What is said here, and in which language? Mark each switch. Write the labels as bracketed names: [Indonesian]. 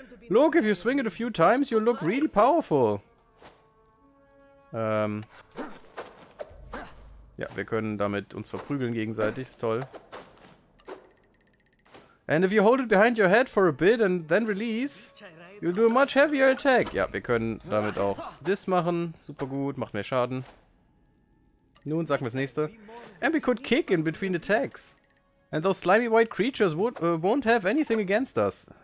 [English] Look, if you swing it a few times, you'll look really powerful. [German] Ja, wir können damit uns verprügeln gegenseitig, ist toll. [English] And if you hold it behind your head for a bit and then release, you'll do a much heavier attack. [German] Ja, wir können damit auch this machen. Super gut, macht mehr Schaden. Nun, sagen wir das nächste. [English] And we could kick in between attacks. And those slimy white creatures won't have anything against us.